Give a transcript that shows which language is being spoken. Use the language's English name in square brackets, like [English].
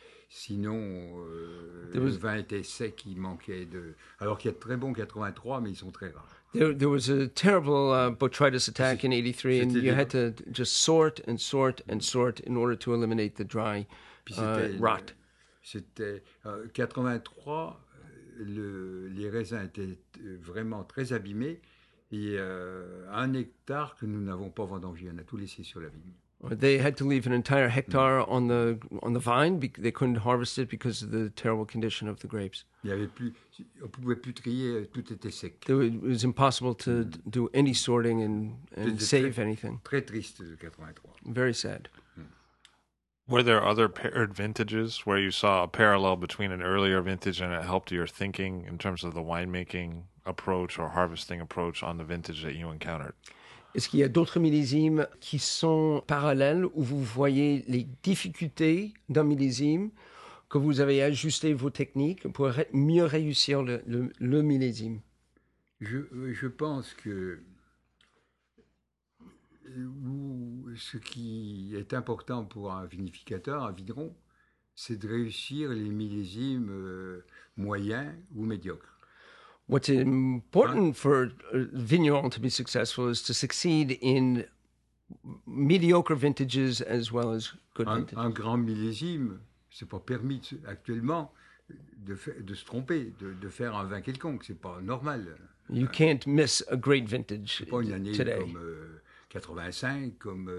[French] Sinon, le vin était sec. Il manquait de. Alors qu'il y a de très bons 83, mais ils sont très rares. [English] There was a terrible botrytis attack in 83, and you had to just sort and sort and sort in order to eliminate the dry rot. [French] C'était 83. Les raisins étaient vraiment très abîmés et un hectare que nous n'avons pas vendangé, on a tout laissé sur la vigne. [English] They had to leave an entire hectare on the vine. They couldn't harvest it because of the terrible condition of the grapes. [French] Il n'y avait plus, on pouvait plus trier, tout était sec. [English] It was impossible to do any sorting and save anything. [French] Très triste le 83. [English] Very sad. Were there other paired vintages where you saw a parallel between an earlier vintage and it helped your thinking in terms of the winemaking approach or harvesting approach on the vintage that you encountered? [French] Est-ce qu'il y a d'autres millésimes qui sont parallèles où vous voyez les difficultés d'un millésime, que vous avez ajusté vos techniques pour mieux réussir le millésime? Je pense que ce qui est important pour un vinificateur, un vigneron, c'est de réussir les millésimes moyens ou médiocres. [English] What's important for a vigneron to be successful is to succeed in mediocre vintages as well as good vintages. [French] Un grand millésime, c'est pas permis actuellement de se tromper, de faire un vin quelconque. C'est pas normal. [English] You can't miss a great vintage today. [French] Pas une année comme 85, comme